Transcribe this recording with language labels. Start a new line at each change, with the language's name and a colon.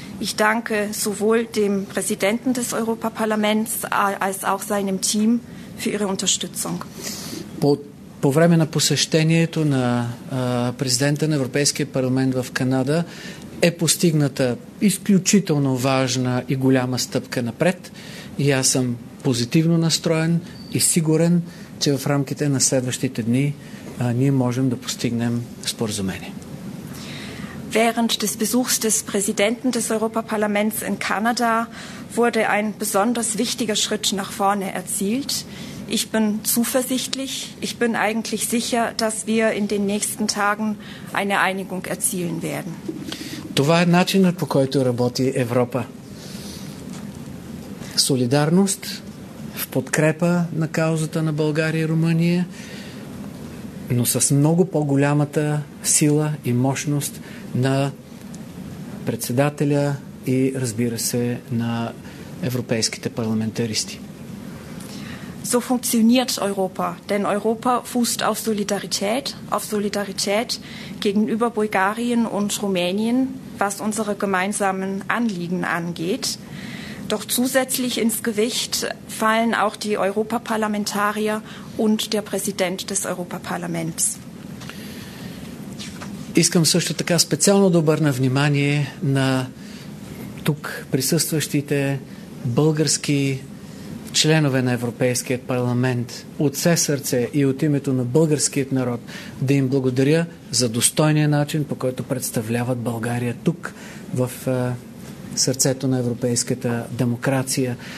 German: Ich danke sowohl dem Präsidenten des Europaparlaments als auch seinem Team für ihre Unterstützung.
Bulgarian: По време на посещението на президента на Европейския парламент в Канада е постигната изключително важна и голяма стъпка напред. И аз съм позитивно настроен и сигурен, че в рамките на следващите дни ние можем да постигнем споразумение.
German: Während des Besuchs des Präsidenten des Europaparlaments in Kanada wurde ein besonders wichtiger Schritt nach vorne erzielt. Ich bin zuversichtlich, ich bin eigentlich sicher, dass wir in den nächsten Tagen eine Einigung erzielen werden.
Bulgarian: Това е начинът, по който работи Европа. Солидарност в подкрепа на каузата на България и Румъния, но с много по-голямата сила и мощност на председателя и, разбира се, на европейските парламентаристи.
German: So funktioniert Europa, denn Europa fußt auf Solidarität gegenüber Bulgarien und Rumänien, was unsere gemeinsamen Anliegen angeht. Doch zusätzlich ins Gewicht fallen auch die Europaparlamentarier und der Präsident des Europaparlaments.
Bulgarian: Искам също така специално да обърна внимание на тук присъстващите български членове на Европейският парламент. От все сърце и от името на българският народ да им благодаря за достойния начин, по който представляват България тук в сърцето на европейската демокрация.